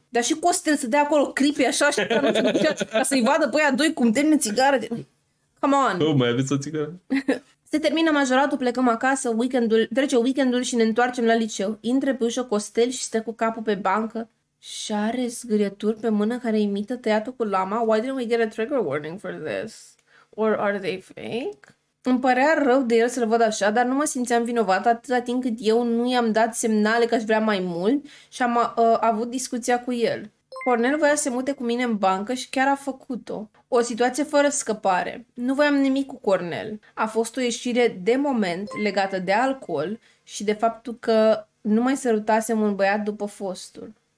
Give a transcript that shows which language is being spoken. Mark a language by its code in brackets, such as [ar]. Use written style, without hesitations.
[ro] Dar și Costel să dea acolo creepy așa și că nu se ducea ca să-i vadă pe aia doi cum termină țigară. [en] Come on. [ro] Oh, mai aveți o țigară? Se termină majoratul, plecăm acasă, weekendul, trece weekendul și ne întoarcem la liceu. Intră pe ușă Costel și stă cu capul pe bancă și are zgârieturi pe mână care imită tăiatul cu lama. [en] Why didn't we get a trigger warning for this? Or are they fake? [ro] Îmi părea rău de el să-l văd așa, dar nu mă simțeam vinovat atâta timp cât eu nu i-am dat semnale că aș vrea mai mult și am avut discuția cu el. Cornel voia să se mute cu mine în bancă și chiar a făcut-o. O situație fără scăpare. Nu voiam nimic cu Cornel. A fost o ieșire de moment legată de alcool și de faptul că nu mai sărutasem un băiat după fostul.